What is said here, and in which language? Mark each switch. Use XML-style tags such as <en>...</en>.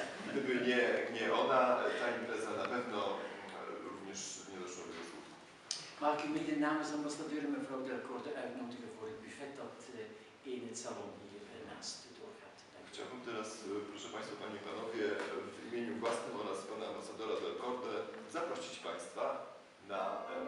<pl>Gdyby nie ona, ta impreza na pewno również nie doszła.</pl> <nl>Mag ik u mede namens ambassadeur en mevrouw Delcorte uitnodigen voor het buffet dat in het salon hier naast doorgaat? Ik zou hem</nl> <pl>teraz, proszę Państwa, Panie i Panowie, w imieniu własnym oraz pana ambassadora Delcorte zaprosić Państwa na</pl>